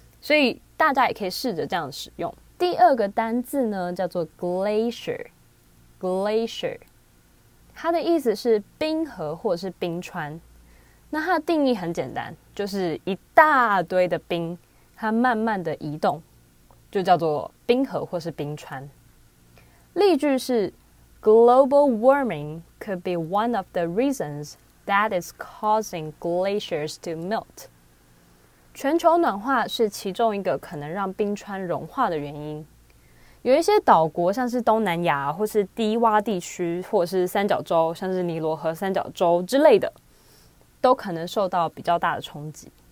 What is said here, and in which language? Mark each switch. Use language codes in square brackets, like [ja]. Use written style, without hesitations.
[zh] 所以大家也可以试着这样使用。第二个单字呢叫做 glacier， glacier，它的意思是冰河或是冰川。那它的定义很简单，就是一大堆的冰它慢慢的移动，就叫做冰河或是冰川。例句是 [en] Global warming could be one of the reasons that is causing glaciers to melt。 [zh] 全球暖化是其中一个可能让冰川融化的原因。有一些岛国像是东南亚或是低洼地区或是三角洲，像是尼罗河三角洲之类的，都可能受到比较大的冲击。